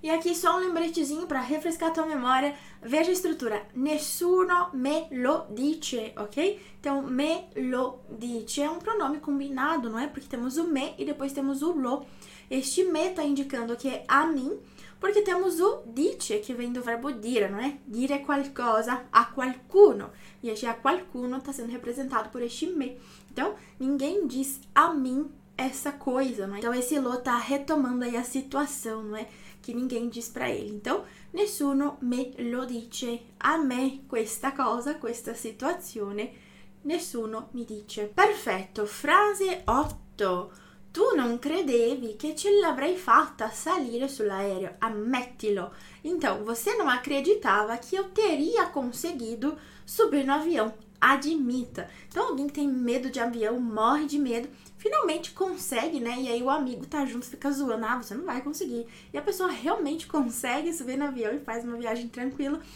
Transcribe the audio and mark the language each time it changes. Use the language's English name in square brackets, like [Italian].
[Portuguese] E aqui só um lembretezinho para refrescar a tua memória, veja a estrutura, [Italian] nessuno me lo dice, [Portuguese] ok? Então, me lo dice é um pronome combinado, não é? Porque temos o me e depois temos o lo. Este me está indicando que é a mim, porque temos o dice, que vem do verbo dire, não é? [Italian] Dire qualcosa a qualcuno. [Portuguese] E este a qualcuno está sendo representado por este me. Então, ninguém diz a mim essa coisa, não é? Então, esse lo está retomando aí a situação, não é? Que ninguém diz para ele. Então, [Italian] nessuno me lo dice a me questa cosa, questa situazione. Nessuno mi dice. Perfetto. Frase 8. Tu non credevi che ce l'avrei fatta a salire sull'aereo, ammettilo. [Portuguese] Então, você não acreditava que eu teria conseguido subir no avião, admita. Então, alguém que tem medo de avião, morre de medo, finalmente consegue, né? E aí o amigo tá junto, fica zoando, ah, você não vai conseguir. E a pessoa realmente consegue subir no avião e faz uma viagem tranquila.